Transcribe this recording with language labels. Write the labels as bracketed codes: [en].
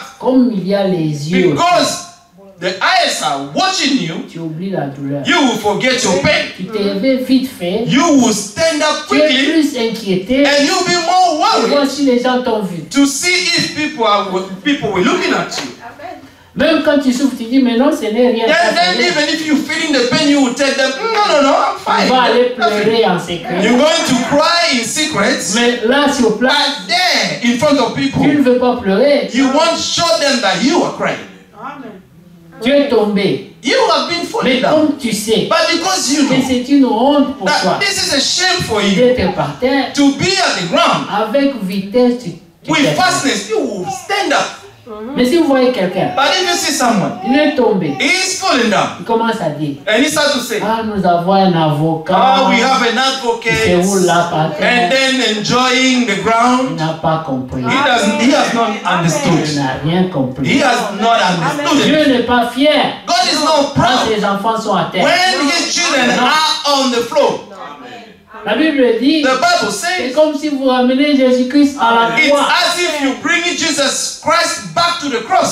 [fr] comme il y a les yeux, [en] because the eyes are watching you, [fr] tu oublies la douleur. [en] You will forget your pain. [fr] Tu te réveilles vite fait. [en] You will stand up quickly. [fr] Tu es plus inquiété. [en] And you'll be more worried. [fr] Tu vois si les gens t'ont vu. [en] To see if people were looking at you. Amen. [fr] Même quand tu souffres, tu dis mais non, ce n'est rien. [en] Then even if you're feeling the pain, you will tell them, no, I'm fine. [fr] Tu vas aller pleurer en secret. [en] You're going to cry in secret. [fr] Mais là, sur place. [en] But then, in front of people, [fr] tu ne veux pas pleurer. [en] You won't show them that you are crying. [fr] Amen. Tu es tombé. [en] You have been falling down. [fr] Mais comme tu sais, [en] but because you know, [fr] c'est une honte pour [en] that [fr] toi. [en] This is a shame for you. [fr] D'être par terre, [en] to be at the ground. [fr] Avec vitesse, tu [en] with fastness, you will stand up. [fr] Mais si vous voyez quelqu'un, [en] but if you see someone, [fr] il est tombé, [en] he is falling down. [fr] Il commence à dire, [en] and he starts to say, [fr] ah, nous avons un avocat. [en] Ah, we have an advocate. [fr] C'est où là, patron? [en] And then enjoying the ground. [fr] Il n'a pas compris. [en] He has not understood. [fr] Il n'a rien compris. [en] He has not understood. [fr] Dieu n'est pas fier. [en] God is not proud. [fr] Quand ses enfants sont à terre. [en] When his children are on the floor. [fr] La Bible dit, [en] the Bible says, [fr] c'est comme si vous ramenez Jésus-Christ à la croix. [en] It's as if you bring Jesus Christ back to the cross.